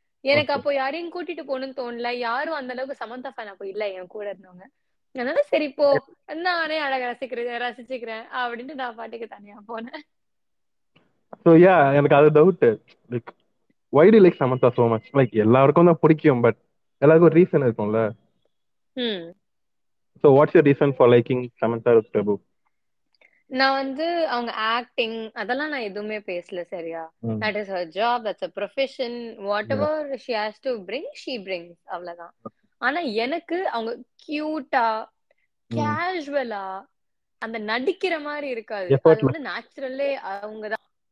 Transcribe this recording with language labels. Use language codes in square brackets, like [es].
[ta] எனக்கு அப்போ யாரையும் கூட்டிட்டு போகணும்னு தோணல, யாரும் அந்த அளவுக்கு சமந்தா ஃபேன் அப்போ இல்லை என் கூட இருந்தவங்க, அதனால சரி போ நானே அழக ரசிச்சுக்கிறேன் அப்படின்ட்டு நான் பாட்டுக்கு தனியா போனேன். சோ யா எனக்கு அது doubt like [en] why do like Samantha so much, [ta] like எல்லாருக்கும் தான் பிடிக்கும் பட் எல்லாருக்கும் ரீசன் இருக்கும்ல. [en] So what's your reason for liking Samantha Prabhu? [ta] நான் வந்து அவங்க ஆக்டிங் அதெல்லாம் நான் எதுவுமே பேசல சரியா. [en] That is her job, that's a profession, whatever she has to bring she brings அவ்வளவுதான். [ta] ஆனா எனக்கு அவங்க கியூட்டா கேஷுவலா அந்த நடிக்கிற மாதிரி இருக்காது, அது வந்து நேச்சுரல்லே அவங்க தான்.